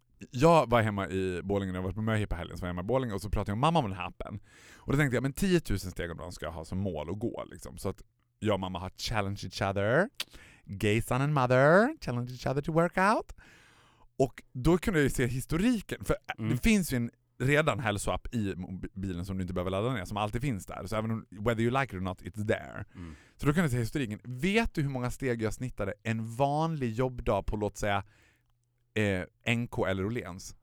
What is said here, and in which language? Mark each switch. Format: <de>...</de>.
<sv>Jag var hemma i Borlänge, jag var på möhippa helgen, så var jag hemma i Borlänge och så pratade jag med mamma om den här appen. Och då tänkte jag, men 10 000 steg om dagen ska jag ha som mål att gå. Liksom. Så att jag och mamma har</sv> <en>challenge each other. Gay son and mother challenge each other to work out.</en> <sv>Och då kunde jag ju se historiken. För det finns ju en redan hälsoapp i bilen som du inte behöver ladda ner. Som alltid finns där. Så även om,</sv> <en>whether you like it or not, it's there. Mm.</en> <sv>Så då kunde jag se historiken. Vet du hur många steg jag snittade en vanlig jobbdag på, låt säga, NK eller Åhléns?</sv>